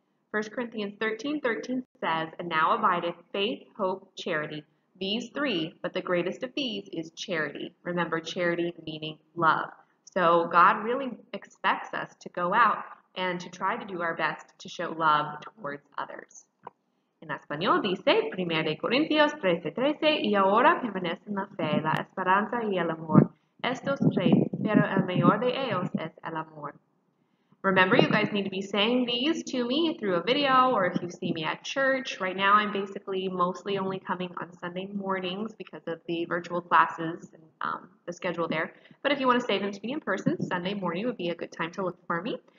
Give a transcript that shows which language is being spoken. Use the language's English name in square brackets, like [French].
[English] 1 Corinthians 13:13 says, "And now abideth faith, hope, charity, these three, but the greatest of these is charity." Remember, charity meaning love. So God really expects us to go out and to try to do our best to show love towards others. [Spanish] En español dice, 1 Corinthians 13:13, "Y ahora permanecen la fe, la esperanza y el amor. Estos tres, pero el mayor de ellos es el amor." [English] Remember, you guys need to be saying these to me through a video or if you see me at church. Right now, I'm basically mostly only coming on Sunday mornings because of the virtual classes and the schedule there. But if you want to say them to me in person, Sunday morning would be a good time to look for me.